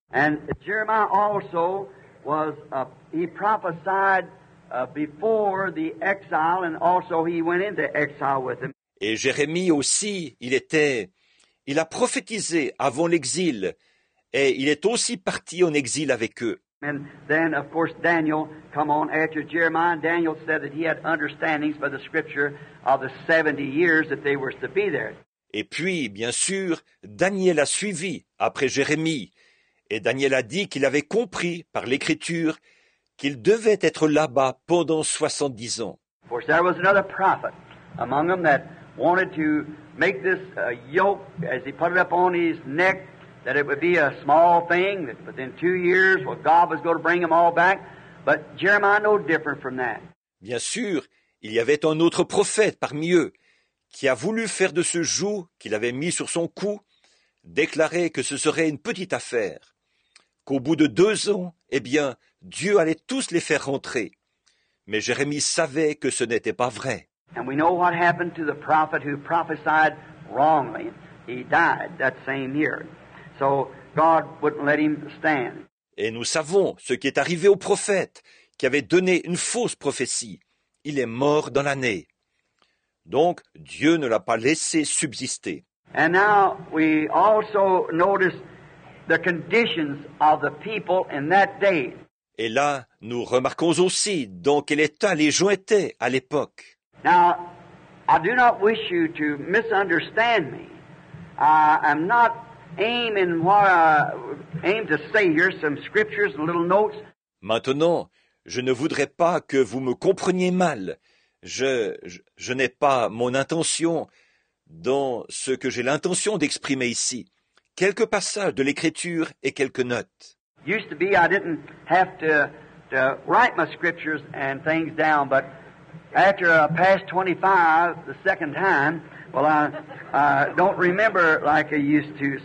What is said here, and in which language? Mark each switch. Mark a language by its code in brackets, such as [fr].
[en] And Jeremiah also he prophesied before the exile, and also he went into exile with him. [fr] Et Jérémie aussi, il a prophétisé avant l'exil, et il est aussi parti en exil avec eux. [en] And then, of course, Daniel come on after Jeremiah. Daniel said that he had understandings by the scripture of the 70 years that they were to be there. [fr] Et puis, bien sûr, Daniel a suivi après Jérémie. Et Daniel a dit qu'il avait compris par l'Écriture qu'il devait être là-bas pendant 70 ans. [en] Of course, there was another prophet among them that wanted to make this yoke as he put it up on his neck, that it would be a small thing, that within 2 years, well, God was going to bring them all back. But Jeremiah no different from that. [fr] Bien sûr, il y avait un autre prophète parmi eux qui a voulu faire de ce joug qu'il avait mis sur son cou, déclarer que ce serait une petite affaire. qu'au bout de 2 ans, eh bien, Dieu allait tous les faire rentrer. Mais Jérémie savait que ce n'était pas vrai. [en] And we know what happened to the prophet who prophesied wrongly. He died that same year. So God wouldn't let him stand. [fr] Et nous savons ce qui est arrivé au prophète qui avait donné une fausse prophétie. Il est mort dans l'année. Donc Dieu ne l'a pas laissé subsister. [en] And now we also notice the conditions of the people in that day. [fr] Et là, nous remarquons aussi dans quel état les gens étaient à l'époque. [en] Now, I do not wish you to misunderstand me. I am not aiming what I aim to say here, some scriptures, little notes. [fr] Maintenant, je ne voudrais pas que vous me compreniez mal. Je n'ai pas mon intention dans ce que j'ai l'intention d'exprimer ici. Quelques passages de l'Écriture et quelques notes. [en] Used to be I didn't have to write my scriptures and things down, but after I passed 25 the second time, well, I don't remember like I used to.